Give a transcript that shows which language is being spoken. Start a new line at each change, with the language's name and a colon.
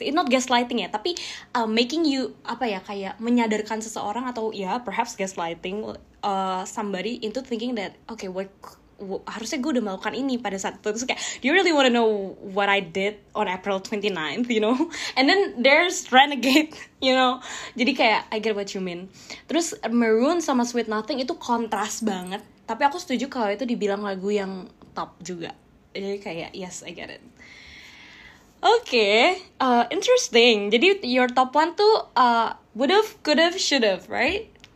English: It not gaslighting
Indonesian: ya, tapi making you apa ya kayak menyadarkan seseorang atau ya yeah,
English: perhaps gaslighting somebody into thinking that okay,
Indonesian: harusnya gue udah melakukan ini pada saat itu. Terus kayak
English: do you really want to know what I did on April 29th, you know? And then there's Renegade, you know.
Indonesian: Jadi kayak
English: I get what you mean.
Indonesian: Terus Maroon sama Sweet Nothing itu kontras banget, tapi aku setuju kalau itu dibilang lagu yang top juga. Jadi kayak
English: yes, I get it. Okay, interesting.
Indonesian: Jadi
English: your top one tuh would've, could've, should've, right?